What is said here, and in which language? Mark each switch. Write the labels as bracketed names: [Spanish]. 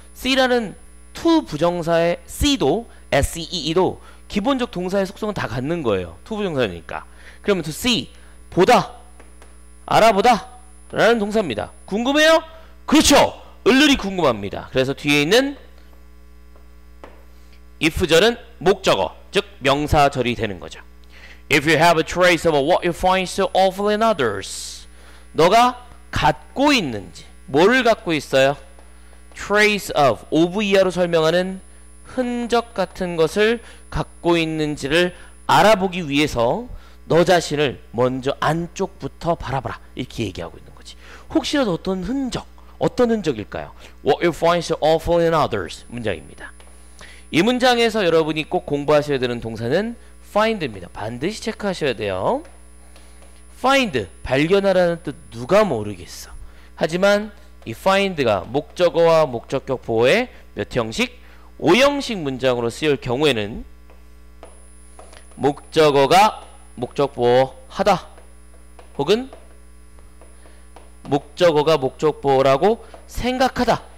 [Korean] see라는 to 부정사의 see도 see도 기본적 동사의 속성은 다 갖는 거예요. to 부정사니까. 그러면 to see, 보다, 알아보다 라는 동사입니다. 궁금해요? 그렇죠. 을르리 궁금합니다. 그래서 뒤에 있는 if절은 목적어, 즉 명사절이 되는 거죠. [English] If you have a trace of what you find so awful in others, [Korean] 너가 갖고 있는지, 뭐를 갖고 있어요? Trace of 이하로 설명하는 흔적 같은 것을 갖고 있는지를 알아보기 위해서 너 자신을 먼저 안쪽부터 바라봐라 이렇게 얘기하고 있는 거지. 혹시라도 어떤 흔적, 어떤 흔적일까요? [English] What you find so awful in others [Korean] 문장입니다. 이 문장에서 여러분이 꼭 공부하셔야 되는 동사는 find입니다. 반드시 체크하셔야 돼요. find, 발견하라는 뜻 누가 모르겠어. 하지만 이 find가 목적어와 목적격 보호의 몇 형식? 5형식 문장으로 쓰일 경우에는 목적어가 목적보호하다 혹은 목적어가 목적보호라고 생각하다